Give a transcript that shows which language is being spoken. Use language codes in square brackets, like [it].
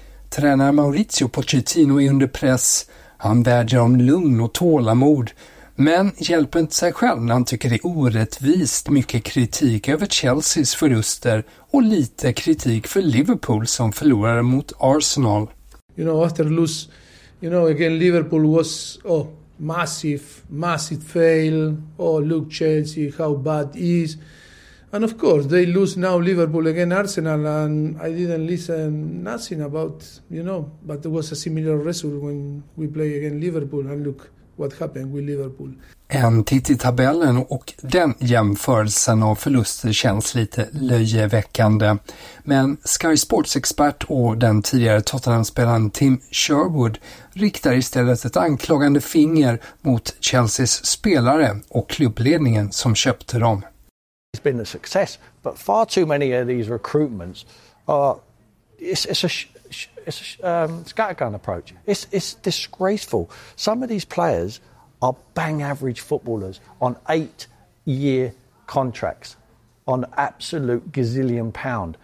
[sv] Tränare Maurizio Pochettino är under press. Han vädjar om lugn och tålamod, men hjälper inte sig själv när han tycker det är orättvist mycket kritik över Chelseas förluster och lite kritik för Liverpool som förlorade mot Arsenal. [en] You know, after lose, you know, again Liverpool was massive fail. Oh, look Chelsea, how bad is. And of course, they lose now Liverpool again Arsenal, and I didn't listen nothing about, you know, but there was a similar result when we play again Liverpool, and look what happened with Liverpool. [sv] En titt i tabellen och den jämförelsen av förluster känns lite löjeväckande. Men Sky Sports-expert och den tidigare Tottenham-spelaren Tim Sherwood riktar istället ett anklagande finger mot Chelseas spelare och klubbledningen som köpte dem. [en] It's been a success, but far too many of these recruitments are it's a scattergun approach. It's disgraceful. Some of these players are bang average footballers on 8-year contracts on absolute gazillion pound.